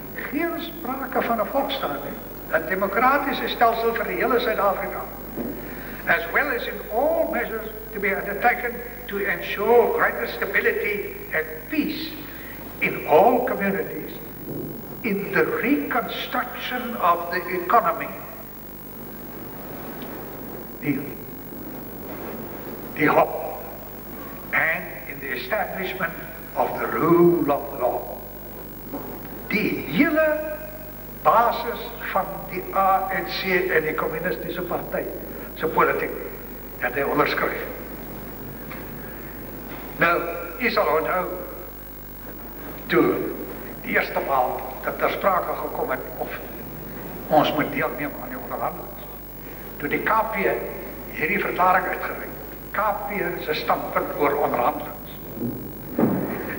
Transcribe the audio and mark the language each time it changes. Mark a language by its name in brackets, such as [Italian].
[Afrikaans] Geen sprake van een volksstaat, een democratische stelsel voor de hele Zuid-Afrika, [English] as well as in all measures to be undertaken to ensure greater stability and peace in all communities, in the reconstruction of the economy. The hope, and in the establishment of the rule of law. [Afrikaans] Die hele basis van die ANC en die communistische partij, sy politiek, het hy onderskryf. Nou, jy sal onthou, toe die eerste maal dat ter sprake gekom het of ons moet deelneem aan die onderhandelings, toe die KP hierdie verklaring uitgereik, KP sy standpunt oor onderhandelings.